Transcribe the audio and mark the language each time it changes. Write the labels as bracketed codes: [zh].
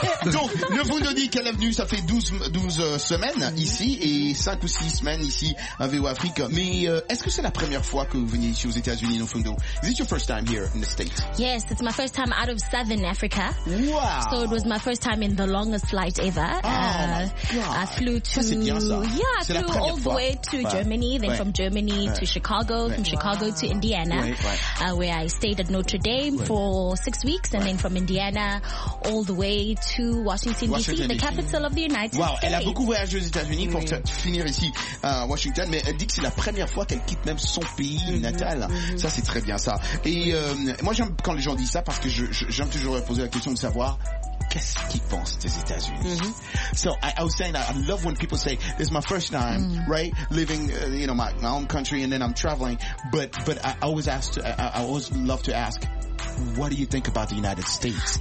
[fr] donc, le Fundo dit qu'elle est venue, ça fait 12 semaines ici et 5 ou 6 semaines ici à VOA Afrique. Mais est-ce que c'est la première fois que vous venez ici aux États-Unis, le Fundo? [en] Is it your first time here in the States? Yes, it's my first time out of Southern Africa. Wow. So it was my first time in the longest flight ever. Oh, I flew to... [fr] Ça, c'est bien ça. [en] Yeah, [fr] c'est [en] I flew all the way to Germany, then from Germany to Chicago, from Chicago to Indiana, where I stayed at Notre Dame for 6 weeks, and then from Indiana all the way to Washington D.C., the capital of the United States. [fr] Wow, elle a beaucoup voyagé aux États-Unis pour finir ici à Washington, mais elle dit que c'est la première fois qu'elle quitte même son pays natal. Ça, c'est très bien ça. Et moi, j'aime quand les gens disent ça parce que j'aime toujours poser la question de savoir qu'est-ce qu'ils pensent des États-Unis. [en] So, I was saying that I love when people say, this is my first time, right, living, you know, my own country and then I'm traveling. But I always ask, I always love to ask, what do you think about the United States?